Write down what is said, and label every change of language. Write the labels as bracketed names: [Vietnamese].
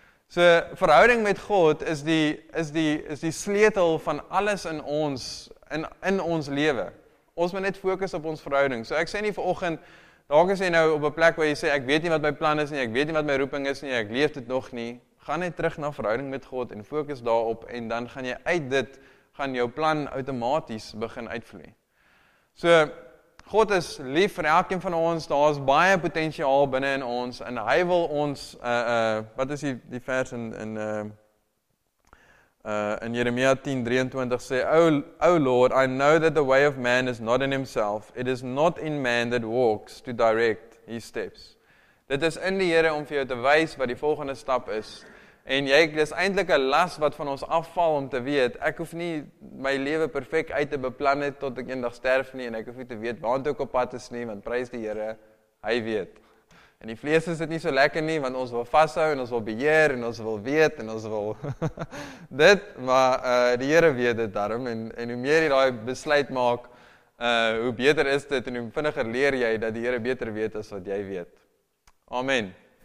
[Afrikaans] So, verhouding met God is die sleutel van alles in ons lewe. Ons moet net fokus op ons verhouding. So, ek sê nie vanoggend, dalk is jy nou op 'n plek waar jy sê, ek weet nie wat my plan is nie, ek weet nie wat my roeping is nie, ek leef dit nog nie. Ga net terug na verhouding met God en fokus daarop en dan gaan jy uit dit, gaan jou plan outomaties begin uitvloei. So, God is lief vir elkeen van ons, daar is baie potentiaal binne in ons en hy wil ons, wat is die vers in Jeremia 10:23 sê, [English] O Lord, I know that the way of man is not in himself. It is not in man that walks to direct his steps. [Afrikaans] Dit is in die Here om vir jou te wys wat die volgende stap is. En jy, dit is eintlik 'n las wat van ons afval om te weet, ek hoef nie my lewe perfek uit te beplan het tot ek eendag sterf nie, en ek hoef nie te weet waantoe ek op pad is nie, want prys die Here, hy weet. En die vlees is dit nie so lekker nie, want ons wil vashou en ons wil beheer, en ons wil weet, en ons wil dit, maar die Here weet dit daarom, en hoe meer jy daai besluit maak, hoe beter is dit, en hoe vinniger leer jy dat die Here beter weet as wat jy weet. Amen.